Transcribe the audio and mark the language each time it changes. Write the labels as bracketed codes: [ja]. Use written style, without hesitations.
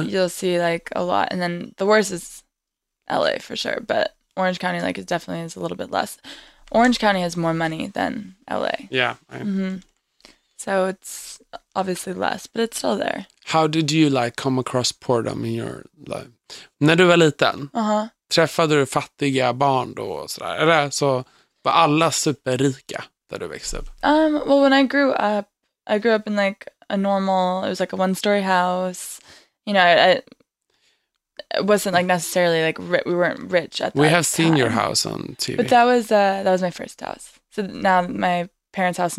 [en] you'll see, like, a lot. And then the worst is L.A. for sure. But Orange County, like, it definitely is a little bit less. Orange County has more money than L.A. Yeah. Right. Mm-hmm. So it's obviously less, but it's still there. How did you, like, come across boredom in your life? [sv] När du var liten, uh-huh. träffade du fattiga barn då och sådär? Eller så var alla superrika? [en] That it makes up. Well, when I grew up in like a normal. It was like a one-story house. You know, it wasn't like necessarily like we weren't rich at that. We have time. Seen your house on TV, but that was my first house. So now my parents' house.